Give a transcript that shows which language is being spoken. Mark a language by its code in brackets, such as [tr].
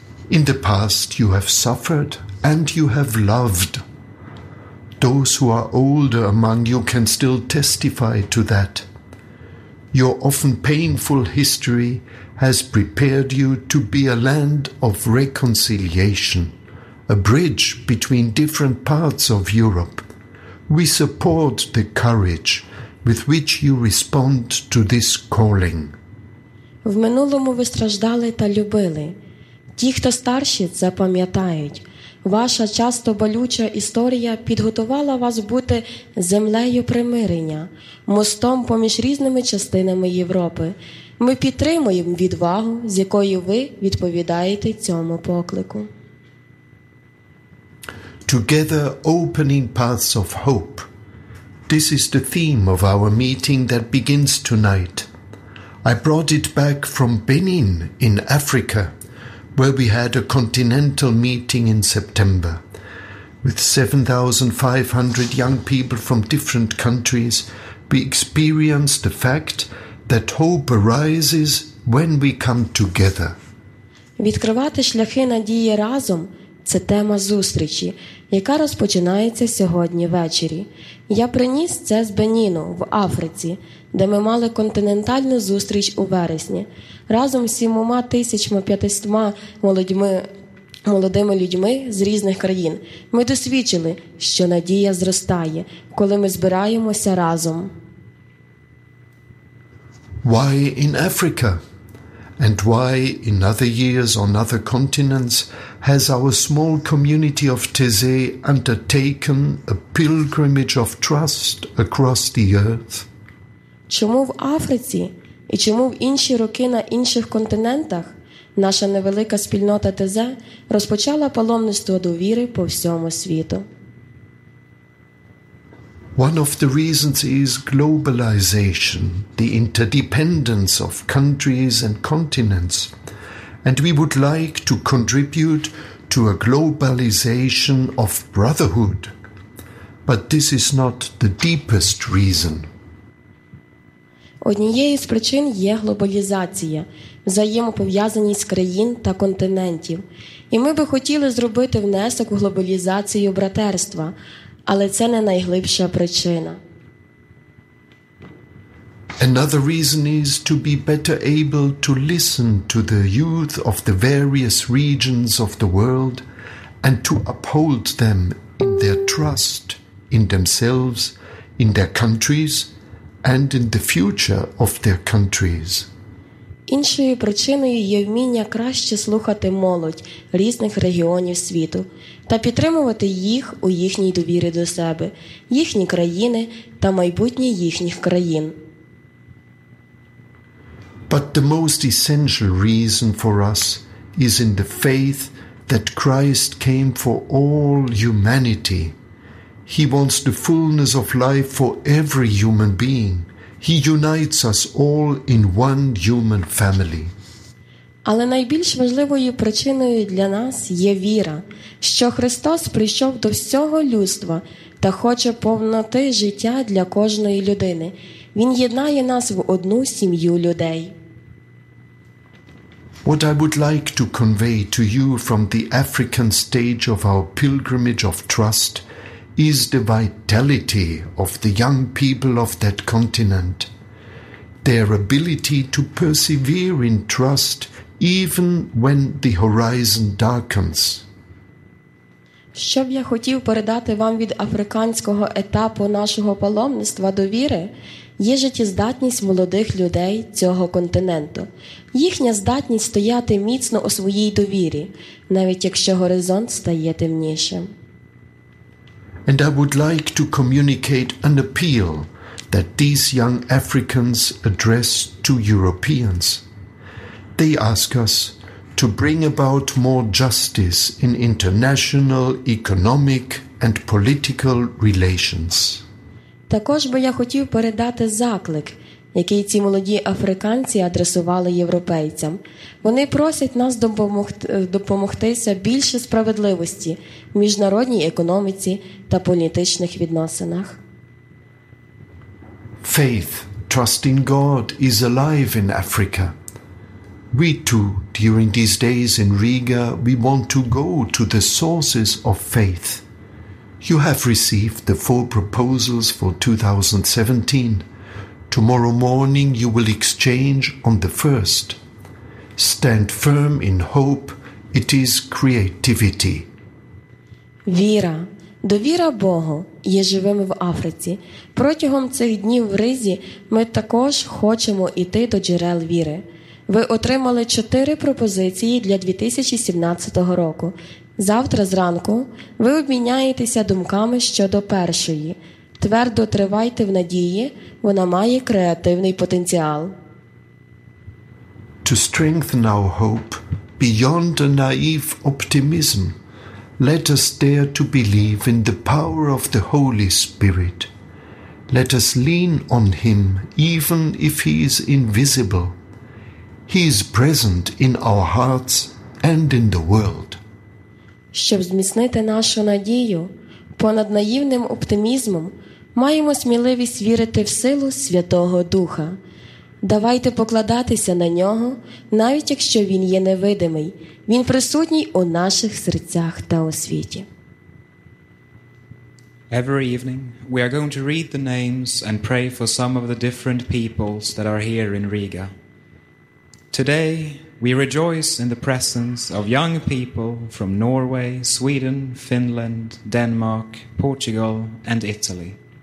[en] In the past you have suffered and you have loved. Those who are older among you can still testify to that. Your often painful history has prepared you to be a land of reconciliation, a bridge between different parts of Europe. We support the courage with which you respond to this calling. [uk] В минулому ви страждали та любили. Ті, хто старші, це пам'ятають. Ваша часто болюча історія підготувала вас бути землею примирення, мостом поміж різними частинами Європи. Ми підтримуємо відвагу, з якою ви відповідаєте цьому поклику. [en] Together opening paths of hope. This is the theme of our meeting that begins tonight. I brought it back from Benin in Africa, where we had a continental meeting in September. With 7,500 young people from different countries, we experienced the fact that hope arises when we come together. [uk] Відкривати шляхи надії разом – це тема зустрічі, яка розпочинається сьогодні ввечері. Я приніс це з Беніну в Африці, де ми мали континентальну зустріч у вересні. Разом з 7500 молодими людьми з різних країн ми досвідчили, що надія зростає, коли ми збираємося разом. [en] Why in Africa? And why, in other years on other continents, has our small community of Tézé undertaken a pilgrimage of trust across the earth? [uk] Чому в Африці і чому в інші роки на інших континентах наша невелика спільнота Тезе розпочала паломництво довіри по всьому світу? [en] One of the reasons is globalization, the interdependence of countries and continents. And we would like to contribute to a globalization of brotherhood. But this is not the deepest reason. [uk] Однією з причин є глобалізація, взаємопов'язаність країн та континентів. І ми би хотіли зробити внесок у глобалізацію братерства, але це не найглибша причина. [en] Another reason is to be better able to listen to the youth of the various regions of the world and to uphold them in their trust in themselves, in their countries, and in the future of their countries. [uk] Іншою причиною є вміння краще слухати молодь різних регіонів світу та підтримувати їх у їхній довірі до себе, їхні країни та майбутнє їхніх країн. [en] But the most essential reason for us is in the faith that Christ came for all humanity. He wants the fullness of life for every human being. He unites us all in one human family. [uk] Але найбільш важливою причиною для нас є віра, що Христос прийшов до всього людства та хоче повноти життя для кожної людини. Він єднає нас в одну сім'ю людей. [en] What I would like to convey to you from the African stage of our pilgrimage of trust is the vitality of the young people of that continent, their ability to persevere in trust even when the horizon darkens. [uk] Що б я хотів передати вам від африканського етапу нашого паломництва довіри, є життєздатність молодих людей цього континенту. Їхня здатність стояти міцно у своїй довірі, навіть якщо горизонт стає темнішим. [en] And I would like to communicate an appeal that these young Africans address to Europeans. They ask us to bring about more justice in international, economic and political relations. [uk] Також би я хотів передати заклик, який ці молоді африканці адресували європейцям. Вони просять нас допомогтися більше справедливості в міжнародній економіці та політичних відносинах. [en] Faith, trusting God, is alive in Africa. We too, during these days in Riga, we want to go to the sources of faith. You have received the four proposals for 2017. Tomorrow morning you will exchange on the first. Stand firm in hope, it is creativity. [uk] Віра. Довіра Богу є живим в Африці. Протягом цих днів в Ризі ми також хочемо йти до джерел віри. Ви отримали 4 пропозиції для 2017 року. Завтра зранку ви обміняєтеся думками щодо першої. Твердо тривайте в надії, вона має креативний потенціал. [en] To strengthen our hope beyond a naive optimism, let us dare to believe in the power of the Holy Spirit. Let us lean on Him even if He is invisible. He is present in our hearts and in the world. [uk] Щоб зміцнити нашу надію понад наївним оптимізмом, маємо сміливість вірити в силу Святого Духа. Давайте покладатися на Нього, навіть якщо Він є невидимий. Він присутній у наших серцях та у світі. [en] Every evening we are going to read the names and pray for some of the different peoples that are here in Riga. Today we rejoice in the presence of young people from Norway, Sweden, Finland, Denmark, Portugal, and Italy.